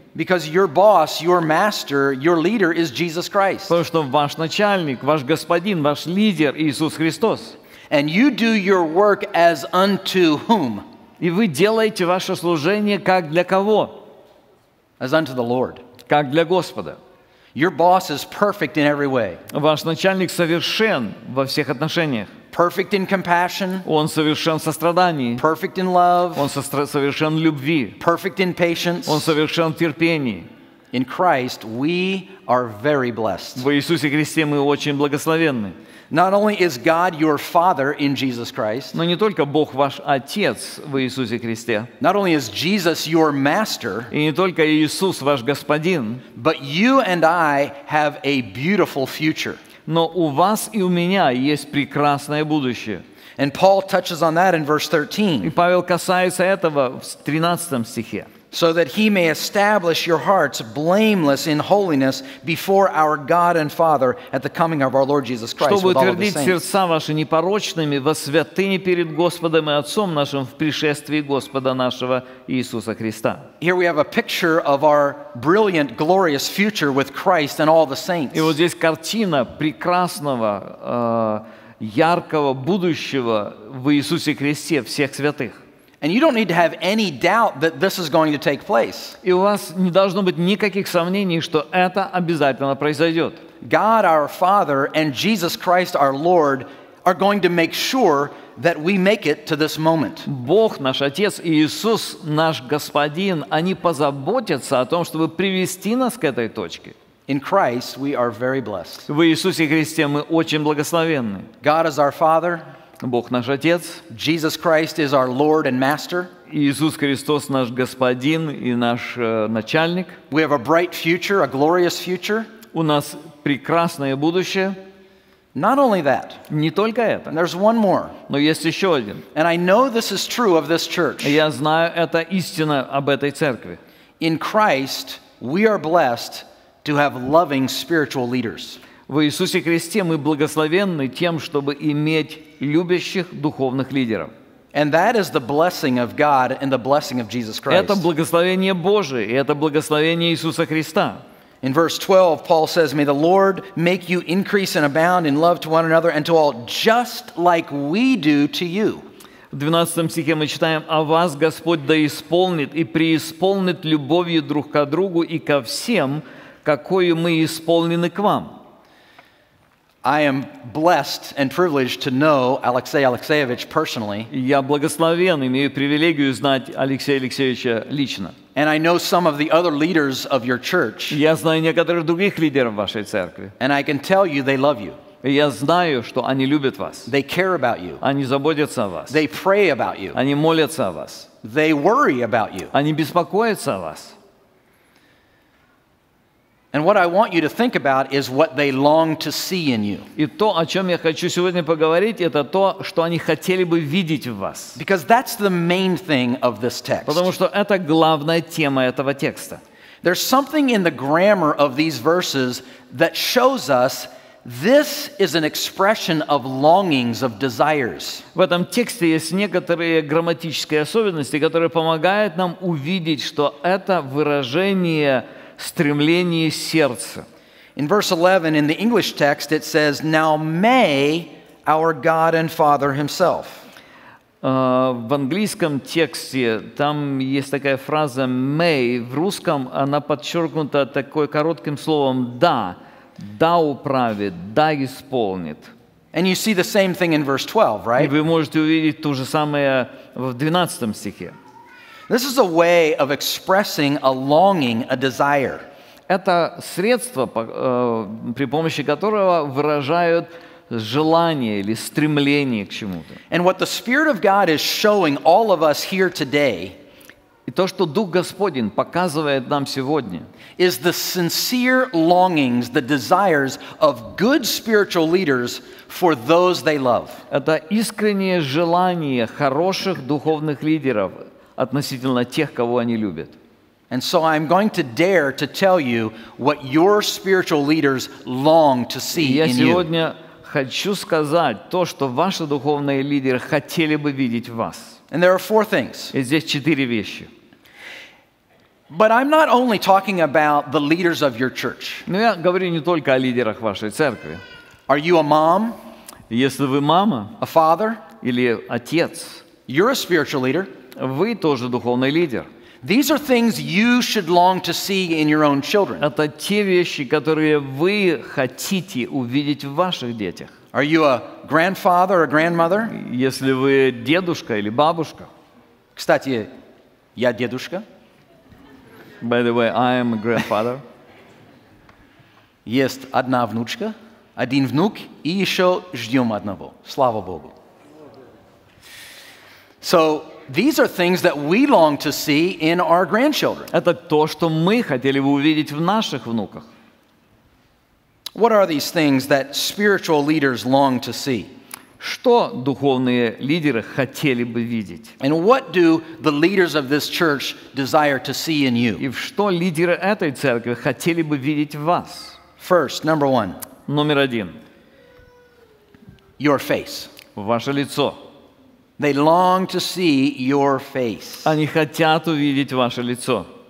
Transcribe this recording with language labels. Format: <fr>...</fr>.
<en>Because your boss, your master, your leader is Jesus Christ.</en> <ru>Потому что ваш начальник, ваш господин, ваш лидер Иисус Христос.</ru> <en>And you do your work as unto whom?</en> <ru>И вы делаете ваше служение как для кого?</ru> <en>As unto the Lord.</en> <ru>Как для Господа.</ru> <en>Your boss is perfect in every way.</en> <ru>Ваш начальник совершен во всех отношениях.</ru> <en>Perfect in compassion.</en> <ru>Он совершен в сострадании.</ru> <en>Perfect in love.</en> <ru>Он совершен в любви.</ru> <en>Perfect in patience.</en> <ru>Он совершен в терпении.</ru> <en>In Christ, we are very blessed.</en> <ru>В Иисусе Христе мы очень благословенны.</ru> <en>Not only is God your Father in Jesus Christ.</en> <ru>Но не только Бог ваш Отец в Иисусе Христе.</ru> <en>Not only is Jesus your Master.</en> <ru>И не только Иисус ваш Господин.</ru> <en>But you and I have a beautiful future.</en> <ru>Но у вас и у меня есть прекрасное будущее.</ru> <en>And Paul touches on that in verse 13.</en> <ru>И Павел касается этого в 13 стихе.</ru> <en>So that he may establish your hearts blameless in holiness before our God and Father at the coming of our Lord Jesus Christ.</en> <ru>Чтобы утвердить сердца ваши непорочными во святыне перед Господом и Отцом нашим в пришествии Господа нашего Иисуса Христа.</ru> <en>Here we have a picture of our brilliant, glorious future with Christ and all the saints.</en> <ru>И вот здесь картина прекрасного, яркого будущего в Иисусе Христе всех святых.</ru> <en>And you don't need to have any doubt that this is going to take place.</en> <ru>И у вас не должно быть никаких сомнений, что это обязательно произойдет.</ru> <en>God, our Father, and Jesus Christ, our Lord, are going to make sure that we make it to this moment.</en> <ru>Бог, наш Отец, и Иисус, наш Господин, они позаботятся о том, чтобы привести нас к этой точке.</ru> <en>In Christ, we are very blessed.</en> <ru>В Иисусе Христе мы очень благословенны.</ru> <en>God is our Father.</en> <ru>Бог наш Отец.</ru> <en>Jesus Christ is our Lord and Master.</en> <ru>Иисус Христос наш Господин и наш начальник.</ru> <en>We have a bright future, a glorious future.</en> <ru>У нас прекрасное будущее.</ru> <en>Not only that.</en> <ru>Не только это.</ru> <en>There's one more.</en> <ru>Но есть еще один.</ru> <en>And I know this is true of this church.</en> <ru>Я знаю, это истина об этой церкви.</ru> <en>In Christ, we are blessed to have loving spiritual leaders.</en> <ru>В Иисусе Христе мы благословенны тем, чтобы иметь любящих духовных лидеров.</ru> <en>And that is the blessing of God and the blessing of Jesus Christ.</en> <ru>Это благословение Божие, и это благословение Иисуса Христа.</ru> <en>In verse 12, Paul says, "May the Lord make you increase and abound in love to one another and to all, just like we do to you."</en> <ru>В 12 стихе мы читаем: «А вас Господь да исполнит и преисполнит любовью друг к другу и ко всем, какою мы исполнены к вам».</ru> <en>I am blessed and privileged to know Alexey Alexeyevich personally.</en> <ru>Я благословен, имею привилегию знать Алексея Алексеевича лично.</ru> <en>And I know some of the other leaders of your church.</en> <ru>Я знаю некоторых других лидеров вашей церкви.</ru> <en>And I can tell you they love you.</en> <ru>Я знаю, что они любят вас.</ru> <en>They care about you.</en> <ru>Они заботятся о вас.</ru> <en>They pray about you.</en> <ru>Они молятся о вас.</ru> <en>They worry about you.</en> <ru>Они беспокоятся о вас.</ru> <en>And what I want you to think about is what they long to see in you.</en> <ru>И то, о чём я хочу сегодня поговорить, это то, что они хотели бы видеть в вас.</ru> <en>Because that's the main thing of this text.</en> <ru>Потому что это главная тема этого текста.</ru> <en>There's something in the grammar of these verses that shows us this is an expression of longings, of desires.</en> <ru>В этом тексте есть некоторые грамматические особенности, которые помогают нам увидеть, что это выражение стремление сердца.</ru> <en>In verse 11 in the English text it says, "Now may our God and Father himself."</en> <ru>В английском тексте там есть такая фраза may, в русском она подчеркнута такой коротким словом да, да управит, да исполнит.</ru> <en>And you see the same thing in verse 12, right?</en> <ru>И вы можете увидеть то же самое в 12 стихе.</ru> <en>This is a way of expressing a longing, a desire.</en> <ru>Это средство, при помощи которого выражают желание или стремление к чему-то.</ru> <en>And what the Spirit of God is showing all of us here today,</en> <ru>и то, что Дух Господень показывает нам сегодня,</ru> <en>is the sincere longings, the desires of good spiritual leaders for those they love.</en> <ru>Это искреннее желание хороших духовных лидеров относительно тех, кого они любят.</ru> <en>And so I'm going to dare to tell you what your spiritual leaders long to see in you.</en> <ru>Я сегодня хочу сказать то, что ваши духовные лидеры хотели бы видеть в вас.</ru> <en>And there are four things.</en> <ru>И здесь четыре вещи.</ru> <en>But I'm not only talking about the leaders of your church.</en> <ru>Но я говорю не только о лидерах вашей церкви.</ru> <en>Are you a mom?</en> <ru>Если вы мама.</ru> <en>A father?</en> <ru>Или отец.</ru> <en>You're a spiritual leader.</en> <ru>Вы тоже духовный лидер.</ru> <en>These are things you should long to see in your own children.</en> <ru>Это те вещи, которые вы хотите увидеть в ваших детях.</ru> <en>Are you a grandfather or grandmother?</en> <ru>Если вы дедушка или бабушка. Кстати, я дедушка.</ru> <en>By the way, I am a grandfather.</en> <ru>Есть одна внучка, один внук, и еще ждем одного. Слава Богу.</ru> <en>So, these are things that we long to see in our grandchildren.</en> <ru>Это то, что мы хотели бы увидеть в наших внуках.</ru> <en>What are these things that spiritual leaders long to see?</en> <ru>Что духовные лидеры хотели бы видеть?</ru> <en>And what do the leaders of this church desire to see in you?</en> <ru>И что лидеры этой церкви хотели бы видеть в вас?</ru> <en>First, number one.</en> <ru>Номер один.</ru> <en>Your face.</en> <ru>Ваше лицо.</ru> <en>They long to see your face.</en> <ru>Они хотят увидеть ваше лицо.</ru>